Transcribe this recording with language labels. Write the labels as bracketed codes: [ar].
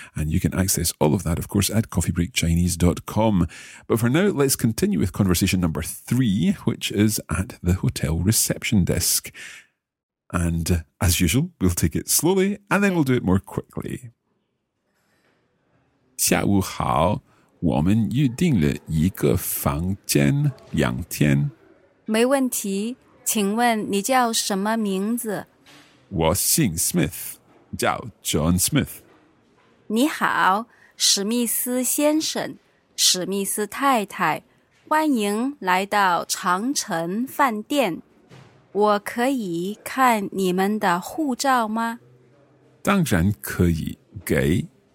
[en] And you can access all of that, of course, at coffeebreakchinese.com. But for now, let's continue with conversation number three, which is at the hotel reception desk. And as usual, we'll take it slowly and then we'll do it more quickly. [zh] 下午好, 我们预定了一个房间两天。没问题。请问你叫什么名字? 我姓Smith, 叫John Smith。你好, 史密斯先生, 史密斯太太, 欢迎来到长城饭店。我可以看你们的护照吗? 当然可以, 给。